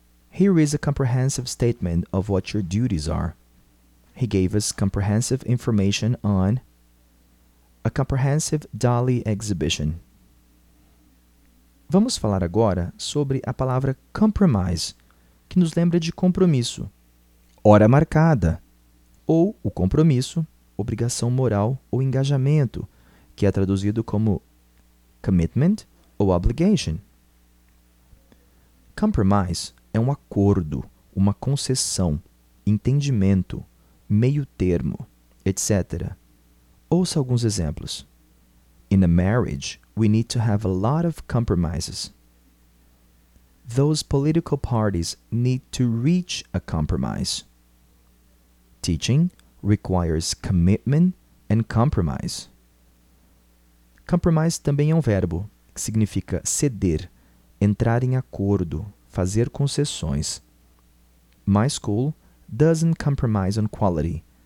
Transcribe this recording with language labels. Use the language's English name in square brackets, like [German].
[English] Here is a comprehensive statement of what your duties are. He gave us comprehensive information on a comprehensive Dali exhibition. [Portuguese] Vamos falar agora sobre a palavra compromise, que nos lembra de compromisso, hora marcada, ou o compromisso, obrigação moral ou engajamento, que é traduzido como commitment ou obligation. Compromise é um acordo, uma concessão, entendimento, meio termo, etc. Ouça alguns exemplos. [English] In a marriage, we need to have a lot of compromises. Those political parties need to reach a compromise. Teaching requires commitment and compromise. [Portuguese] Compromise também é um verbo, que significa ceder, entrar em acordo, fazer concessões. [English] My school doesn't compromise on quality.